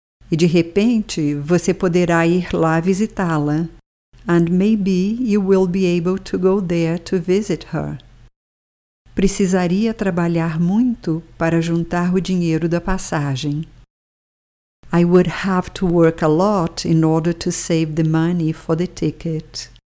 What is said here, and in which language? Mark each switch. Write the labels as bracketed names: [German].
[Portuguese] E de repente, você poderá ir lá visitá-la. [English] And maybe you will be able to go there to visit her. [Portuguese] Precisaria trabalhar muito para juntar o dinheiro da passagem. [English] I would have to work a lot in order to save the money for the ticket.